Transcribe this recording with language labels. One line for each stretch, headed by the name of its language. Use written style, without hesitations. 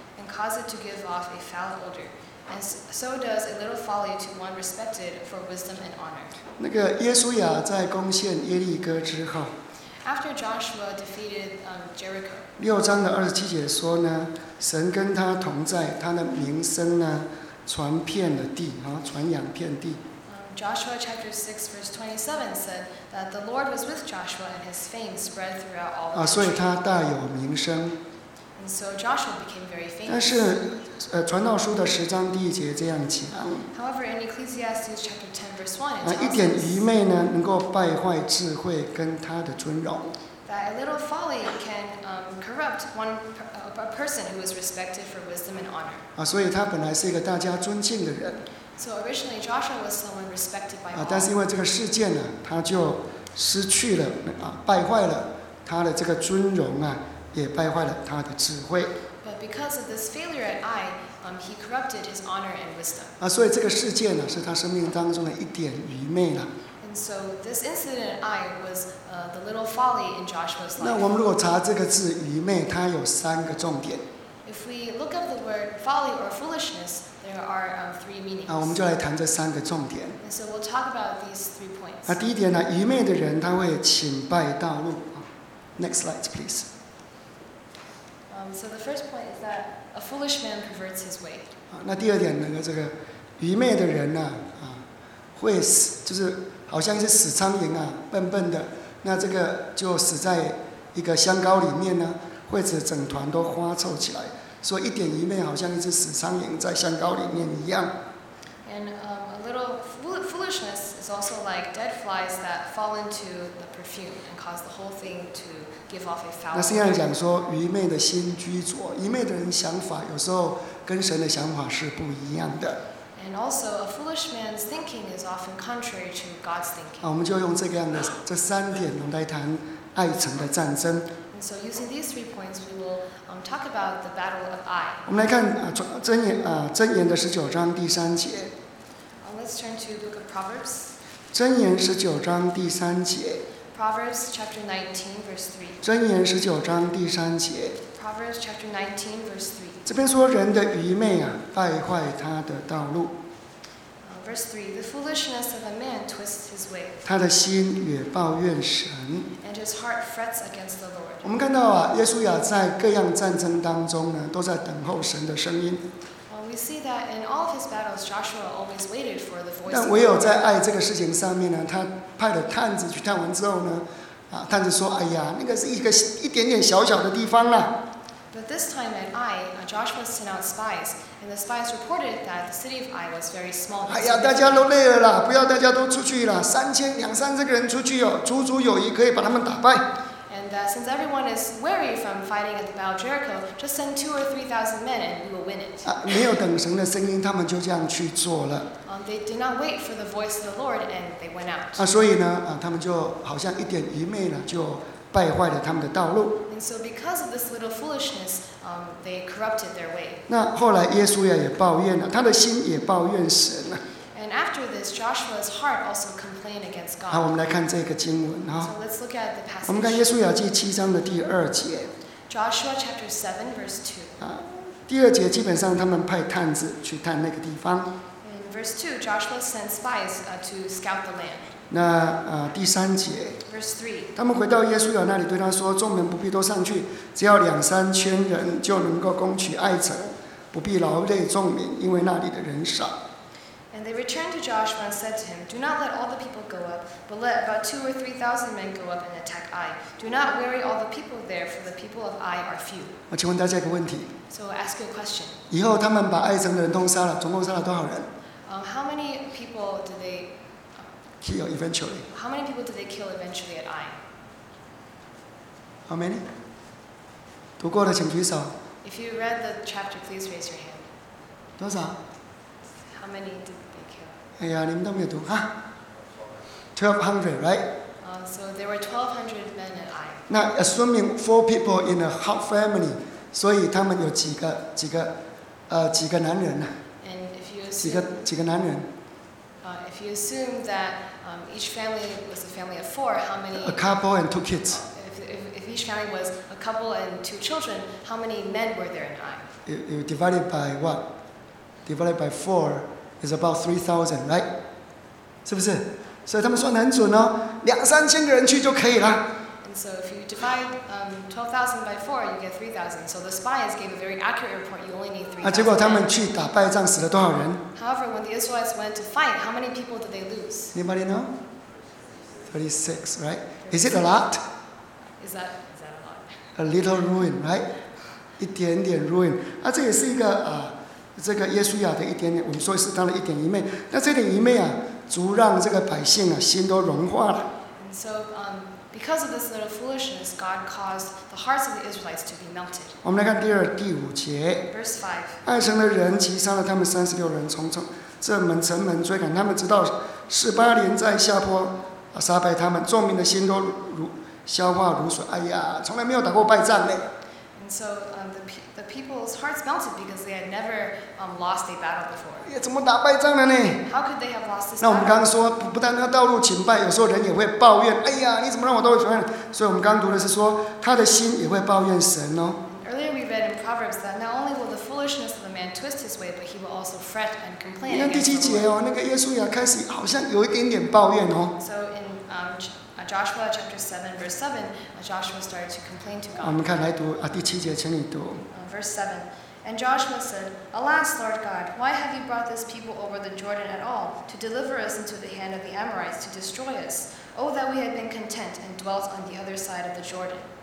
English: And cause it to give off a foul odor, and so does a little folly to one respected for wisdom and honor.
Chinese: 那个耶稣亚在攻陷耶利哥之后
English: ，After Joshua defeated Jericho.
Chinese: 六章的二十七节说呢，神跟他同在，他的名声呢传遍了地，啊，传扬遍地。
English: Joshua chapter 6 verse 27 said that the Lord was with Joshua, and his fame spread throughout all.
Chinese: 啊，所以他大有名声。
English: So Joshua became very famous.
Chinese: 但是，传道书的十章第一节这样讲。
English: However, in Ecclesiastes chapter 10 verse 1, it tells us.
Chinese: 一点愚昧呢，能够败坏智慧跟他的尊荣。
English: That a little folly can corrupt one a person who is respected for wisdom and honor.
Chinese: 啊，所以他本来是一个大家尊敬的人。
English: So originally Joshua was someone respected by all.
Chinese: 啊，但是因为这个事件呢，他就失去了啊，败坏了他的这个尊荣啊。也败坏了他的智慧。
English: But because of this failure at Ai, he corrupted his honor and wisdom.
Chinese: 啊，所以这个事件呢，是他生命当中的一点愚昧了。
English: And so this incident at Ai was the little folly in Joshua's life.
Chinese: 那我们如果查这个字愚昧，它有三个重点。
English: If we look up the word folly or foolishness, there are three meanings.
Chinese: 啊，我们就来谈这三个重点。
English: And so we'll talk about these three points.
Chinese: 那第一点呢，愚昧的人他会倾败道路。
English: Next slide, please. So the first point is that a foolish man perverts his way.
Chinese: 那第二点呢，这个愚昧的人呢，啊，会死，就是好像是死苍蝇啊，笨笨的，那这个就死在一个香膏里面呢，或者整团都花臭起来，所以一点愚昧好像一只死苍蝇在香膏里面一样。
English: And a little foolishness is also like dead flies that fall into the perfume and cause the whole thing to.
Chinese: 那圣经讲说，愚昧的心居左，愚昧的人想法有时候跟神的想法是不一样的。
English: And also, a foolish man's thinking is often contrary to God's thinking.
Chinese: 啊，我们就用这个样的这三点，我们来谈爱城的战争。
English: And so, using these three points, we will talk about the battle of Ai.
Chinese: 我们来看啊，箴言啊，箴言的十九章第三节。
English: Let's turn to Book of Proverbs.
Chinese: 箴言十九章第三节。
English: Proverbs chapter 19 verse 3.
Chinese: 箴言十九章第三节。
English: Proverbs chapter 19 verse 3.
Chinese: 这边说人的愚昧啊，败坏他的道路。
English: Verse 3. The foolishness of a man twists his way.
Chinese: 他的心也抱怨神。
English: And his heart frets against the Lord.
Chinese: 我们看到啊，耶稣亚在各样战争当中呢，都在等候神的声音。
English: We see that in all of his battles, Joshua always waited for the voice.
Chinese: 但唯有在爱这个事情上面呢，他派了探子去探完之后呢，啊，探子说：“哎呀，那个是一点点小小的地方啦。”
English: But this time at Ai, Joshua sent out spies, and the spies reported that the city of Ai was very small.
Chinese: 哎呀，大家都累了啦，不要大家都出去了，两三十个人出去哦，足足有余可以把他们打败。
English: And that since everyone is weary from fighting at the Battle of Jericho, just send 2,000 or 3,000 men, and we will win it.
Chinese: 啊，没有等神的声音，他们就这样去做了。
English: They did not wait for the voice of the Lord, and they went out.
Chinese: 啊，所以呢，啊，他们就好像一点愚昧了，就败坏了他们的道路。
English: And so because of this little foolishness, they corrupted their way.
Chinese: 那后来耶稣也抱怨了，他的心也抱怨神了。
English: And after this, Joshua's heart also complained against God.
Chinese: 好，我们来看这个经文哈。
English: So let's look at the passage.
Chinese: 我们看耶稣雅记七章的第二节。
English: Joshua chapter 7 verse 2.
Chinese: 啊，第二节基本上他们派探子去探那个地方。
English: In verse 2, Joshua sent spies to scout the land.
Chinese: 那第三节。
English: Verse 3.
Chinese: 他们回到耶稣雅那里，对他说：“众人不必都上去，只要两三千人就能够攻取爱城，不必劳累众民，因为那里的人少。”
English: And they returned to Joshua and said to him, "Do not let all the people go up, but let about 2,000 or 3,000 men go up and attack Ai. Do not weary all the people there, for the people of Ai are few."
Chinese: 我请问大家一个问题。
English: So ask you a question.
Chinese: 以后他们把爱城的人都杀了，总共杀了多少人？
English: How many people did they kill eventually? How many people did they kill eventually at Ai? How many?
Chinese: 读过的请举手。
English: If you read the chapter, please raise your hand.
Chinese: 多少？
English: How many did they kill? 1,200, right? So there were 1,200 men at Ai.
Chinese: 那
English: assuming four people in a half family,
Chinese: 所以他们有几个男人呢？
English: And if you assume,
Chinese: 几个男人？
English: If you assume that each family was a family of four, how many? A couple and two kids. If each family was a couple and two children, how many men were there in Ai? You divide it by what? Divided by four is about 3,000, right?
Chinese: 是不是？所以他们算得很准哦，两三千个人去就可以了。
English: And so if you divide 12,000 by four, you get 3,000. So the spies gave a very accurate report. You only need 3,000.
Chinese: 结果他们去打败仗死了多少人
English: ？However, when the Israelites went to fight, how many people did they lose? Anybody know? 36, right? Is it a lot? Is that a lot? A little ruin, right?
Chinese: 一点点
English: ruin.
Chinese: 啊，这也是一个这个耶稣亚的一点点，我们说是他的一点愚昧，那这点愚昧啊，足让这个百姓啊心都融化了。
English: So, because of this little foolishness, God caused the hearts of the Israelites to be melted.
Chinese: 我们来看第五节。
English: Verse 5.
Chinese: 爱城的人击杀了他们36人，从这门城门追赶他们，直到示巴连在下坡杀败他们，众民的心都消化如水。哎呀，从来没有打过败仗嘞。
English: And so the people's hearts melted because they had never lost a battle before.
Chinese: 也怎么打败仗了呢？
English: How could they have lost this
Chinese: battle? 那我们刚刚说，不但那道路倾败，有时候人也会抱怨。哎呀，你怎么让我道路倾败？所以我们刚读的是说，他的心也会抱怨神哦。
English: Earlier we read in Proverbs that not only will the foolishness of the man twist his way, but he will also fret and complain.
Chinese: 你看第七节哦，那个耶稣也开始好像有一点点抱怨哦。
English: So in Joshua chapter 7 verse 7, Joshua started to complain to God.
Chinese: 我们看来读第七节，请你读。
English: Verse 7, and Joshua said, "Alas, Lord God, why have you brought this people over the Jordan at all to deliver us into the hand of the Amorites to destroy us? Oh, that we had been content and dwelt on the other side of the Jordan."